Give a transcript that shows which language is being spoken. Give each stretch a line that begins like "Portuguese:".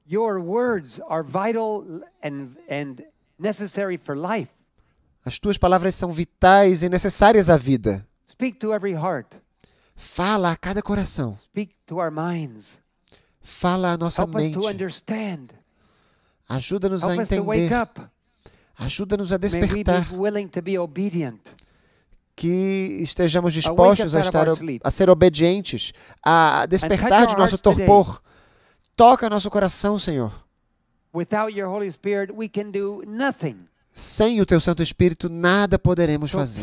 English: Your words are vital and necessary for life.
Portuguese: As tuas palavras são vitais e necessárias à vida.
English: Speak to every heart.
Portuguese: Fala a cada coração.
English: Speak to our minds.
Portuguese: Fala à nossa
English: help
Portuguese: mente.
English: Us to understand.
Portuguese: Ajuda-nos
English: help
Portuguese: a entender.
English: Us to wake up.
Portuguese: Ajuda-nos a despertar.
English: May we be willing to be obedient.
Portuguese: Que estejamos dispostos a ser obedientes, a despertar de nosso torpor. Toca nosso coração, Senhor.
English: Without your Holy Spirit, we can do nothing.
Portuguese: Sem o Teu Santo Espírito, nada poderemos fazer.